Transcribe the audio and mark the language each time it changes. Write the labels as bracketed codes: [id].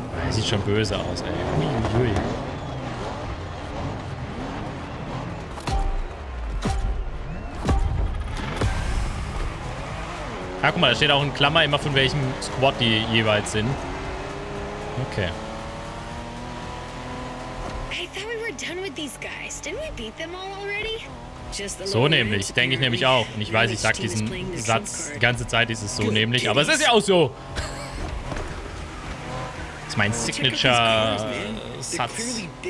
[de] Sieht schon böse aus, ey. Uiuiui. Ah, guck mal, da steht auch in Klammer immer, von welchem Squad die jeweils sind. Okay. [en] I thought we were done with these guys. Didn't we beat them all already? [de] So nämlich, denke ich nämlich auch. Und ich weiß, ich sag diesen Satz die ganze Zeit, ist es so nämlich, aber es ist ja auch so. Das ist mein Signature-Satz.